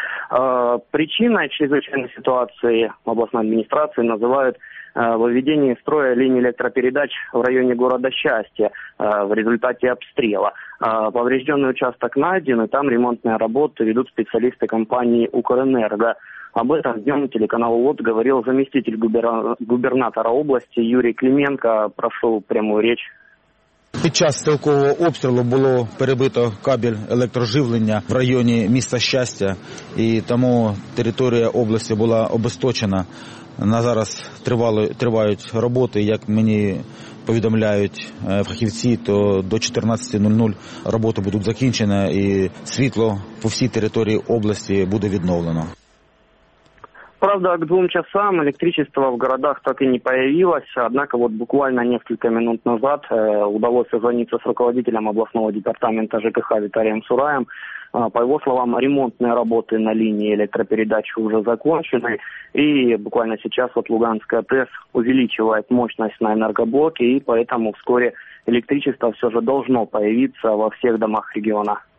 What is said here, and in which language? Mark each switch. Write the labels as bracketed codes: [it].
[ru] Причиной чрезвычайной ситуации областной администрации называют выведение из строя линии электропередач в районе города Счастье в результате обстрела. Поврежденный участок найден, и там ремонтные работы ведут специалисты компании «Укрэнерго». Об этом днем телеканалу ВОТ говорил заместитель губернатора области Юрий Клименко. Прошу прямую речь. [uk] Під час стрілкового обстрілу було перебито кабель електроживлення в районі міста Щастя, і тому територія області була обесточена. На зараз тривають роботи, як мені повідомляють фахівці, то до 14.00 роботи будуть закінчені, і світло по всій території області буде відновлено. [ru] Правда, к двум часам электричество в городах так и не появилось, однако вот буквально несколько минут назад удалось созвониться с руководителем областного департамента ЖКХ Виталием Сураем. По его словам, ремонтные работы на линии электропередач уже закончены, и буквально сейчас вот Луганская ТЭС увеличивает мощность на энергоблоке, и поэтому вскоре электричество все же должно появиться во всех домах региона.